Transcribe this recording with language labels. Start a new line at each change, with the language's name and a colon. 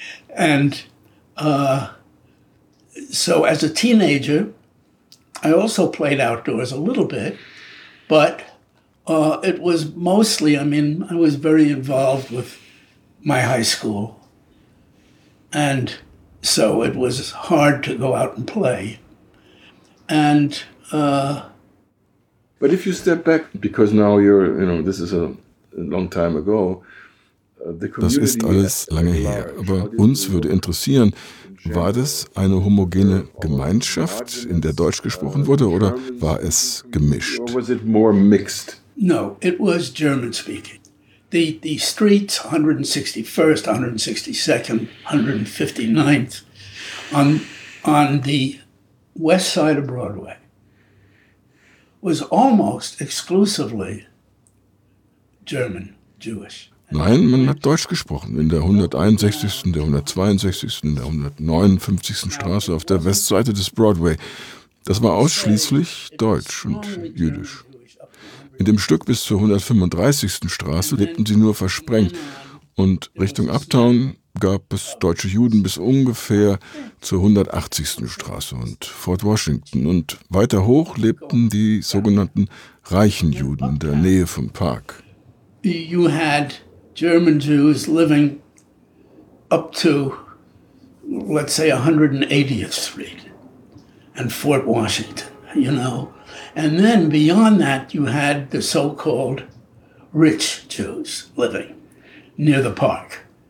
English: And so as a teenager, I also played outdoors a little bit, but it was mostly, I mean, I was very involved with my high school, and so it was hard to go out and play. And but if you step back, because now you're, you know, this is a long time ago,
German: Das ist alles lange her. Aber uns würde interessieren, war das eine homogene Gemeinschaft, in der Deutsch gesprochen wurde, oder war es gemischt?
English: No, it was German speaking. The streets 161st, 162nd, 159th on the west side of Broadway was almost exclusively German Jewish.
German: Nein, man hat Deutsch gesprochen in der 161. der 162. der 159. Straße auf der Westseite des Broadway. Das war ausschließlich Deutsch und Jüdisch. In dem Stück bis zur 135. Straße lebten sie nur versprengt. Und Richtung Uptown gab es deutsche Juden bis ungefähr zur 180. Straße und Fort Washington. Und weiter hoch lebten die sogenannten reichen Juden in der Nähe vom Park.
English: You had German Jews living up to, let's say, 180th Street and Fort Washington, you know. And then beyond that, you had the so-called rich Jews living near the park.